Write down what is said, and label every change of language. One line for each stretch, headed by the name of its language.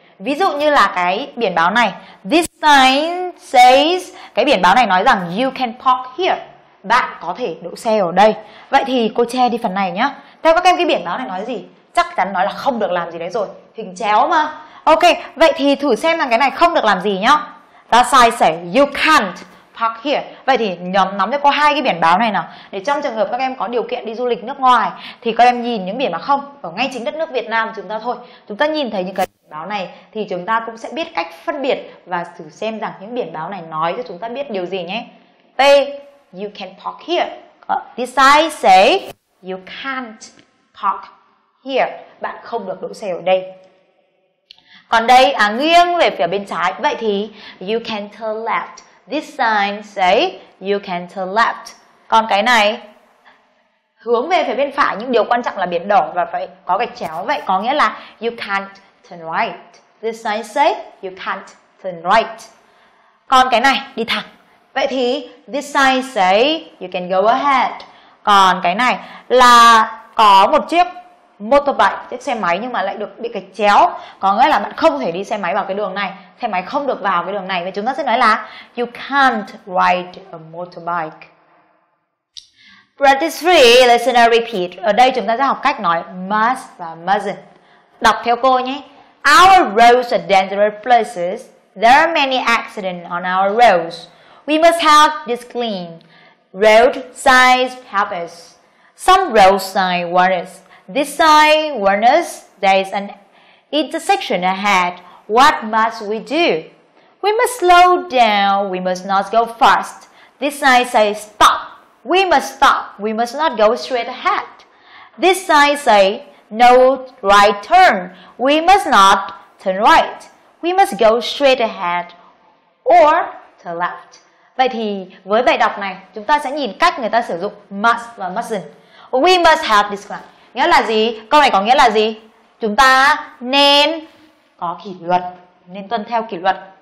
Vietnamese: Ví dụ như là cái biển báo này,
English: this sign says,
Vietnamese: cái biển báo này nói rằng
English: you can park here,
Vietnamese: bạn có thể đỗ xe ở đây. Vậy thì cô che đi phần này nhá. Theo các em cái biển báo này nói gì? Chắc chắn nói là không được làm gì đấy rồi, hình chéo mà. Ok, vậy thì thử xem là cái này không được làm gì nhá.
English: That sign says you can't park here.
Vietnamese: Vậy thì nắm cho cô hai cái biển báo này nào, để trong trường hợp các em có điều kiện đi du lịch nước ngoài thì các em nhìn những biển báo không ở ngay chính đất nước Việt Nam chúng ta thôi. Chúng ta nhìn thấy những cái biển báo này thì chúng ta cũng sẽ biết cách phân biệt và thử xem rằng những biển báo này nói cho chúng ta biết điều gì nhé.
English: T, you can park here. This sign says you can't park here.
Vietnamese: Bạn không được đỗ xe ở đây. Còn đây, à, nghiêng về phía bên trái. Vậy thì
English: you can turn left. This sign say you can turn left.
Vietnamese: Còn cái này, hướng về phía bên phải, nhưng điều quan trọng là biển đỏ và phải có gạch chéo. Vậy có nghĩa là
English: you can't turn right. This sign say you can't turn right.
Vietnamese: Còn cái này, đi thẳng. Vậy thì
English: this sign say you can go ahead.
Vietnamese: Còn cái này là có một chiếc motorbike, chiếc xe máy nhưng mà lại được bị gạch chéo, có nghĩa là bạn không thể đi xe máy vào cái đường này, xe máy không được vào cái đường này. Và chúng ta sẽ nói là
English: you can't ride a motorbike. Practice 3, listen and repeat.
Vietnamese: Ở đây chúng ta sẽ học cách nói must và mustn't. Đọc theo cô nhé.
English: Our roads are dangerous places. There are many accidents on our roads. We must have this clean. Road signs help us. Some road signs warn us. This sign warns us there is an intersection ahead. What must we do? We must slow down. We must not go fast. This sign says stop. We must stop. We must not go straight ahead. This sign says no right turn. We must not turn right. We must go straight ahead or to left.
Vietnamese: Vậy thì với bài đọc này, chúng ta sẽ nhìn cách người ta sử dụng must và mustn't.
English: We must have this clear.
Vietnamese: Nghĩa là gì? Câu này có nghĩa là gì? Chúng ta nên có kỷ luật, nên tuân theo kỷ luật.